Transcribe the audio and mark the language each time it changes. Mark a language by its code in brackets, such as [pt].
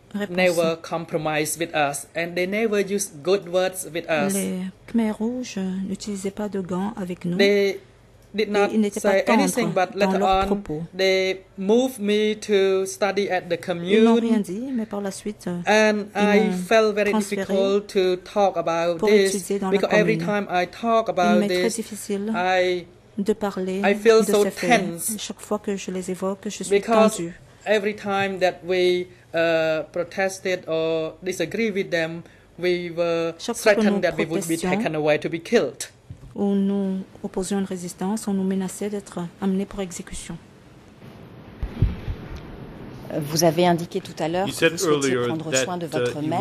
[en] Never compromised with us, and they never used good words with us. [fr] Les Khmer Rouges n'utilisaient pas de gants avec nous. [en] They did not say anything, but later on, they moved me to study at the commune. [fr] Ils n'ont rien dit, mais par la suite, [en] and I felt very difficult to talk about this, because every time I talk about this, I feel so tense. [fr] Chaque fois que je les évoque, je suis tendu. [en] Every time that we protested or disagreed with them, we were threatened that we would be taken away to be killed. [fr] Où nous opposions une résistance, on nous menaçait d'être amenés pour exécution. Vous avez indiqué tout à l'heure que vous souhaitiez prendre soin de votre mère,